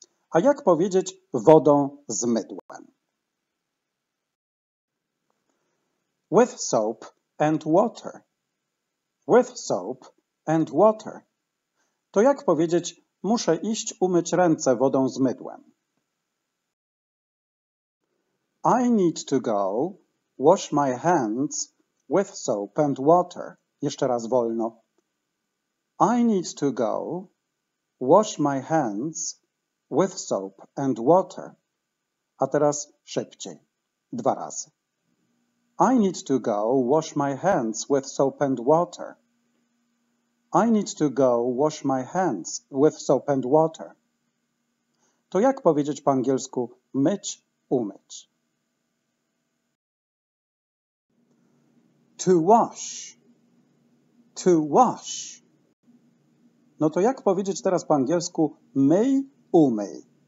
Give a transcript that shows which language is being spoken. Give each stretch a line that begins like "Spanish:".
Polish: A jak powiedzieć wodą z mydłem?
English: With soap and water. With soap and water.
Polish: To jak powiedzieć muszę iść umyć ręce wodą z mydłem?
English: I need to go wash my hands with soap and water.
Polish: Jeszcze raz wolno.
English: I need to go wash my hands with soap and water.
Polish: A teraz szybciej. Dwa razy.
English: I need to go wash my hands with soap and water. I need to go wash my hands with soap and water.
Polish: To jak powiedzieć po angielsku myć, umyć?
English: To wash. To wash.
Polish: No to jak powiedzieć teraz po angielsku myj, umyj?